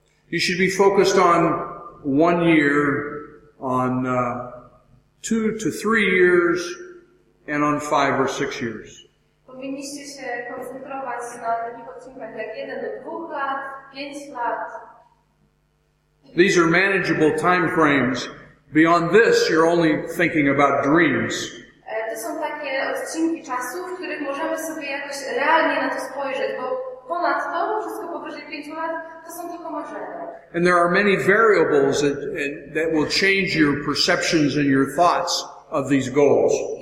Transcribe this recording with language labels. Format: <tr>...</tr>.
<en>You should be focused on 1 year, on 2 to 3 years, and on 5 or 6 years.</en> <pl>Powinniście się koncentrować na takich odcinkach jak 1 do 2 lat, 5 lat.</pl> <en>These are manageable time frames. Beyond this, you're only thinking about dreams.</en> <pl>To są takie odcinki czasu, w których możemy sobie jakoś realnie na to spojrzeć, bo ponadto, wszystko powyżej 5 lat, to są tylko marzenia.</pl> <en>And there are many variables that will change your perceptions and your thoughts of these goals.</en>